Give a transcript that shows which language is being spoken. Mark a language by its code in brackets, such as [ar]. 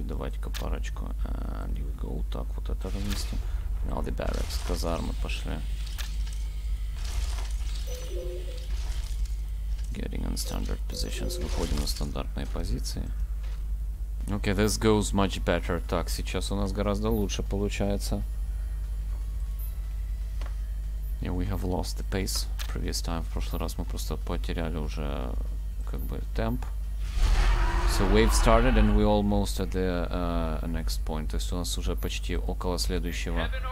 [ru] Давайте-ка парочку. [en] And here we go. [ru] Так, вот это разместим. [en] Now the barracks. [ru] Казармы пошли. [en] Getting on standard positions. [ru] Выходим на стандартные позиции. [en] Okay, this goes much better. [ru] Так, сейчас у нас гораздо лучше получается. [en] Yeah, we have lost the pace previous time. [ru] В прошлый раз мы просто потеряли уже как бы темп. [en] So wave started and we almost at the next point. [ru] То есть у нас уже почти около следующего.